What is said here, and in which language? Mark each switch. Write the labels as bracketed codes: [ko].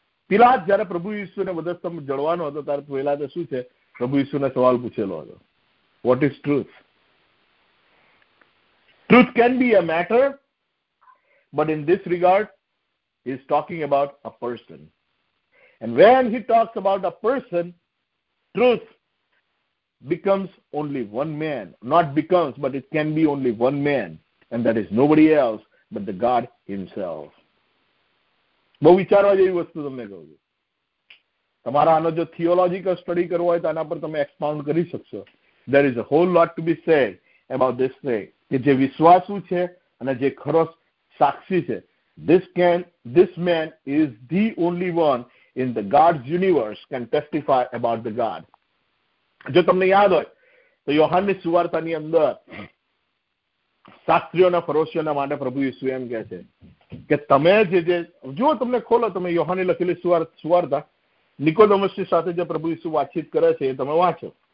[gu] પેલા જયારે પ્રભુ ઈસુને વધસ્તંભ જડવાનો હતો ત્યારે પહેલા તો શું છે, પ્રભુ ઈસુને સવાલ પૂછેલો હતો, [en] What is truth. Truth can be a matter, but in this regard he is talking about a person. [gu] And when he talks about a person, [en] Truth becomes only one man, not becomes, but it can be only one man, and that is nobody else but the God himself. [gu] બહુ વિચારવા જેવી વસ્તુ તમને કહું છું. તમારા આનો જો થિયોલોજીકલ સ્ટડી કરવો હોય તો આના પર તમે એક્સપાઉન્ડ કરી શકશો. [en] There is a whole lot to be said about this thing, [gu] કે જે વિશ્વાસુ છે અને જે ખરો સાક્ષી છે. [en] This man is the only one in the God's universe can testify about the God. [gu] જો તમને યાદ હોય તો યોહાનની સુવાર્તાની અંદર શાસ્ત્રીઓના ફરોશીઓના માટે પ્રભુ ઈસુ એમ કહે છે કે તમે જે જો તમને ખોલો, તમે યોહાને લખેલી સુવાર્તા નિકોદમસની સાથે જે પ્રભુ ઈસુ વાતચીત કરે છે એ તમે વાંચો.